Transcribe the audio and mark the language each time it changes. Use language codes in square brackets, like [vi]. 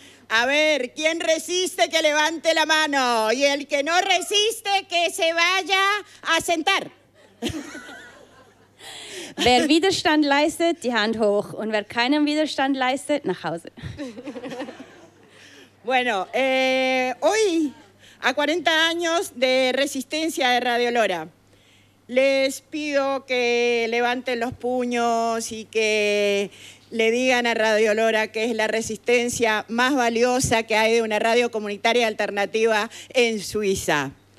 [es] A ver, ¿quién resiste que levante la mano? Y el que no resiste, que se vaya a sentar. [de] Wer Widerstand leistet, die Hand hoch. Und wer keinen Widerstand leistet, nach Hause. [es] Bueno, hoy, a 40 años de resistencia de Radio Lora, les pido que levanten los puños y que le digan a Radio Lora que es la resistencia más valiosa que hay de una radio comunitaria alternativa en Suiza.